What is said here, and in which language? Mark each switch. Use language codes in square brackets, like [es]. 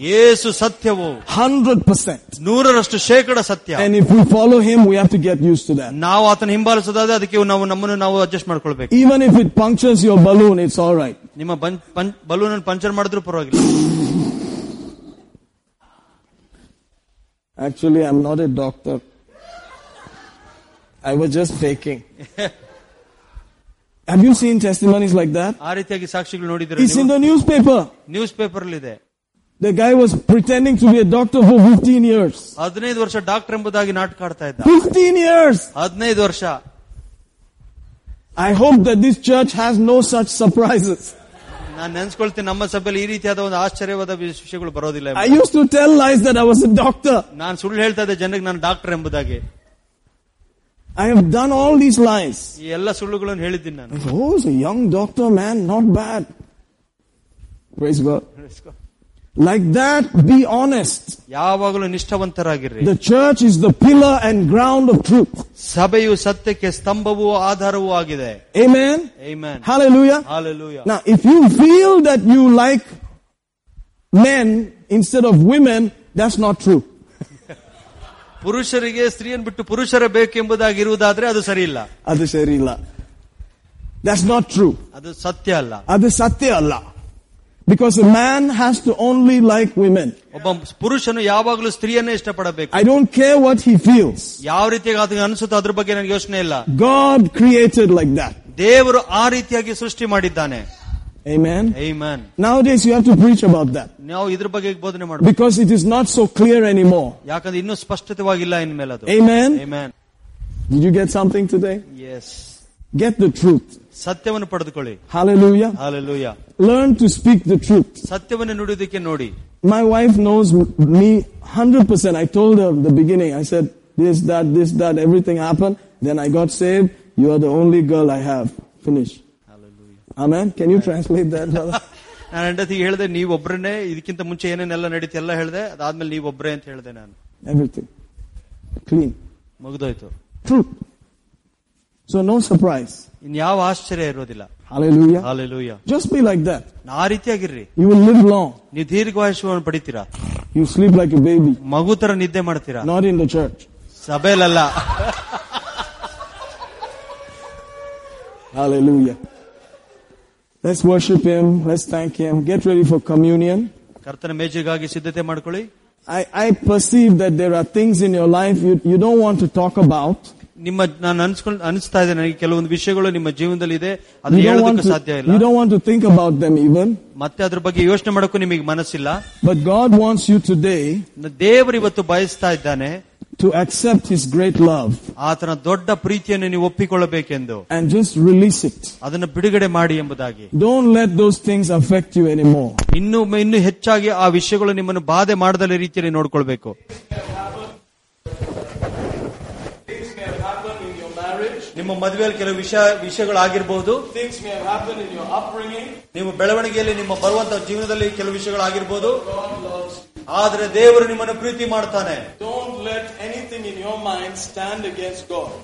[kn] ಯೇಸು ಸತ್ಯವು [en] 100%. [kn] ನೂರರಷ್ಟು ಶೇಕಡ ಸತ್ಯ. [en] And if you follow him we have to get use to that. [kn] ನಾವು ಆತನ ಹಿಂಬಾಲಿಸೋದಾದ್ರೆ ಅದಕ್ಕೆ ನಾವು ನಮ್ಮನ್ನು ನಾವು ಅಡ್ಜಸ್ಟ್ ಮಾಡ್ಕೊಳ್ಬೇಕು. [en] Even if it punctures your balloon it's all right. [kn] ನಿಮ್ಮ ಬಲೂನ್ ಅನ್ನು ಪಂಕ್ಚರ್ ಮಾಡಿದ್ರು ಪರವಾಗಿಲ್ಲ. [en] Actually, I'm not a doctor. I was just faking. Have you seen testimonies like that? It's in the newspaper. Newspaper. The guy was pretending to be a doctor for 15 years. [kn] 15 ವರ್ಷ doctor ಎಂಬುದಾಗಿ ನಾಟಕಾಡ್ತಾ ಇದ್ದ. [en] 15 years. [kn] 15 ವರ್ಷ. [en] I hope that this church has no such surprises. [kn] ನಾನು ನೆನ್ಸ್ಕೊಳ್ತೀನಿ ನಮ್ಮ ಸಭೆಯಲ್ಲಿ ಈ ರೀತಿಯಾದ ಒಂದು ಆಶ್ಚರ್ಯವಾದ ವಿಷಯಗಳು ಬರೋದಿಲ್ಲ. [en] I use to tell lies that I was a doctor. [kn] ನಾನು ಸುಳ್ಳು ಹೇಳ್ತಾ ಇದ್ದೆ ಜನರಿಗೆ ನಾನು ಡಾಕ್ಟರ್ ಎಂಬುದಾಗಿ. [en] I have done all these lies. [kn] ಈ ಎಲ್ಲ ಸುಳ್ಳುಗಳನ್ನು ಹೇಳಿದ್ದೀನಿ ನಾನು. [en] Oh, is a young doctor man, not bad. Praise God. Like that be honest. [kn] ಯಾವಾಗಲೂ ನಿಷ್ಠಾವಂತರಾಗಿರ್ರಿ. [en] The church is the pillar and ground of truth. [kn] ಸಭೆಯು ಸತ್ಯಕ್ಕೆ ಸ್ತಂಭವೂ ಆಧಾರವೂ ಆಗಿದೆ. [en] Amen. Amen. Hallelujah. Hallelujah. Now if you feel that you like men instead of women, that's not true. [kn] ಪುರುಷರಿಗೆ ಸ್ತ್ರೀಯನ್ನು ಬಿಟ್ಟು ಪುರುಷರೇ ಬೇಕೆಂಬುದಾಗಿರುವುದಾದ್ರೆ ಅದು ಸರಿಯಿಲ್ಲ. ಅದು ಸರಿಯಿಲ್ಲ. [en] That's not true. [kn] ಅದು ಸತ್ಯ ಅಲ್ಲ. ಅದು ಸತ್ಯ ಅಲ್ಲ. [en] Because a man has to only like women. [kn] ಒಬ್ಬ ಪುರುಷನು ಯಾವಾಗಲೂ ಸ್ತ್ರೀಯನ್ನೇ ಇಷ್ಟಪಡಬೇಕು. [en] I don't care what he feels. [kn] ಯಾವ ರೀತಿಯಾಗಿ ಅದಕ್ಕೆ ಅನಿಸುತ್ತೋ ಅದ್ರ ಬಗ್ಗೆ ನನಗೆ ಯೋಚನೆ ಇಲ್ಲ. [en] God created like that. [kn] ದೇವರು ಆ ರೀತಿಯಾಗಿ ಸೃಷ್ಟಿ ಮಾಡಿದ್ದಾನೆ. [en] Amen. Amen. Nowadays you have to preach about that. [kn] ನಾವು ಇದರ ಬಗ್ಗೆ ಬೋಧನೆ ಮಾಡಬೇಕು. [en] Because it is not so clear anymore. [kn] ಯಾಕಂದ್ರೆ ಇನ್ನೂ ಸ್ಪಷ್ಟವಾಗಿಲ್ಲ ಇನ್ಮೇಲೆ ಅದು. [en] Amen. Amen. Did you get something today? Yes. Get the truth. [kn] ಸತ್ಯವನ್ನು ಪಡೆದುಕೊಳ್ಳಿ. [en] Hallelujah. Hallelujah. Learn to speak the truth. [kn] ಸತ್ಯವನ್ನು ನುಡಿದಕ್ಕೆ ನೋಡಿ. [en] My wife knows me 100%. I told her at the beginning. I said this, that, everything happened. Then I got saved. You are the only girl I have. Finish. Hallelujah. Amen. Can you translate that, brother? [kn] ನಾನು ಹೆಂಡತಿ ಹೇಳಿದೆ ನೀವೊಬ್ಬರನ್ನೇ ಇದಕ್ಕಿಂತ ಮುಂಚೆ ಏನೇನೆಲ್ಲ ನಡೀತಿ ಎಲ್ಲ ಹೇಳಿದೆ ಅದಾದ್ಮೇಲೆ ನೀವೊಬ್ಬರೇ ಅಂತ ಹೇಳಿದೆ ನಾನು. [en] Everything. Clean. [kn] ಮುಗ್ದೋಯ್ತು. [en] Truth. So no surprise. [kn] ಇನ್ ಯಾವ ಆಶ್ಚರ್ಯ ಇರೋದಿಲ್ಲ. [en] Hallelujah. Hallelujah. Just be like that. [kn] ಆ ರೀತಿಯಾಗಿರ್ರಿ. [en] You will live long. [kn] ನೀವು ದೀರ್ಘಾಯುಷ್ಯವನ್ನು ಪಡಿತೀರಾ. [en] You sleep like a baby. [kn] ಮಗು ತರ ನಿದ್ದೆ ಮಾಡ್ತೀರಾ. [en] Not in the church. [kn] ಸಭೆಯಲ್ಲ. [en] Hallelujah. Let's worship him. Let's thank him. Get ready for communion. [kn] ಕರ್ತನ ಮೇಜೆಗಾಗಿ ಸಿದ್ಧತೆ ಮಾಡ್ಕೊಳ್ಳಿ. [en] I perceive that there are things in your life you don't want to talk about. [kn] ನಿಮ್ಮ ನಾನು ಅನಿಸ್ತಾ ಇದೆ ನನಗೆ ಕೆಲವೊಂದು ವಿಷಯಗಳು ನಿಮ್ಮ ಜೀವನದಲ್ಲಿ ಇದೆ ಅದು ಹೇಳೋದಕ್ಕೆ ಸಾಧ್ಯ ಇಲ್ಲ. [en] You don't want to think about them even. [kn] ಮತ್ತೆ ಅದರ ಬಗ್ಗೆ ಯೋಚನೆ ಮಾಡೋಕ್ಕೂ ನಿಮಗೆ ಮನಸ್ಸಿಲ್ಲ. [en] But God wants you today. [kn] ದೇವರು ಇವತ್ತು ಬಯಸ್ತಾ ಇದ್ದಾನೆ. [en] To accept his great love. [kn] ಆತನ ದೊಡ್ಡ ಪ್ರೀತಿಯನ್ನು ನೀವು ಒಪ್ಪಿಕೊಳ್ಳಬೇಕೆಂದು. [en] And just release it. [kn] ಅದನ್ನು ಬಿಡುಗಡೆ ಮಾಡಿ ಎಂಬುದಾಗಿ. [en] Don't let those things affect you anymore. [kn] ಇನ್ನು ಹೆಚ್ಚಾಗಿ ಆ ವಿಷಯಗಳು ನಿಮ್ಮನ್ನು ಬಾಧೆ ಮಾಡದಲ್ಲ ರೀತಿಯಲ್ಲಿ ನೋಡಿಕೊಳ್ಬೇಕು. ನಿಮ್ಮ ಮದುವೆಯಲ್ಲಿ ಕೆಲವು ವಿಷಯಗಳಾಗಿರಬಹುದು. [en] Things may have happened in your upbringing. [kn] ನಿಮ್ಮ ಬೆಳವಣಿಗೆಯಲ್ಲಿ ನಿಮ್ಮ ಬರುವಂತಹ ಜೀವನದಲ್ಲಿ ಕೆಲವು ವಿಷಯಗಳಾಗಿರಬಹುದು. ಆದರೆ ದೇವರು ನಿಮ್ಮನ್ನು ಪ್ರೀತಿ ಮಾಡ್ತಾನೆ. [en] Don't let anything in your mind stand against God.